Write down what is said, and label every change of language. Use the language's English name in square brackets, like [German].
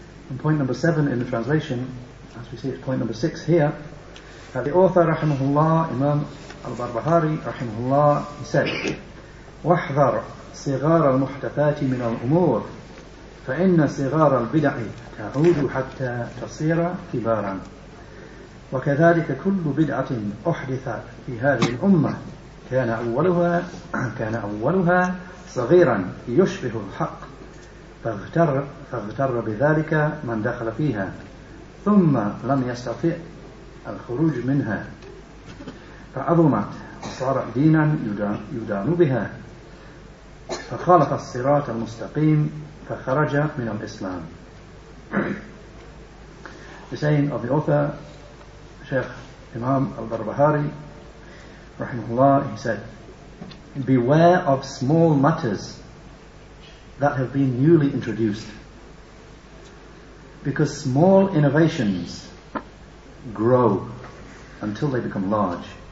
[English] and point number 7 in the translation, as we see it's point number 6 here, that the author, rahimahullah, Imam al-Barbahari, rahimahullah, he said, [Arabic] وَحْذَرْ صِغَارَ الْمُحْدَثَاتِ مِنَ الْأُمُورِ فَإِنَّ صِغَارَ الْبِدَعِ تَعُودُ حَتَّى تَصِيرَ كِبَارًا وكذلك كل بدعة أحدثت في هذه الأمة كان أولها صغيرا يشبه الحق فاغتر بذلك من دخل فيها ثم لم يستطع الخروج منها فعظمت وصارت دينا يدان بها فخالف الصراط المستقيم فخرج من الإسلام. [English] The saying of the author, Sheikh Imam al-Barbahari, rahimahullah, he said, beware of small matters that have been newly introduced, because small innovations grow until they become large.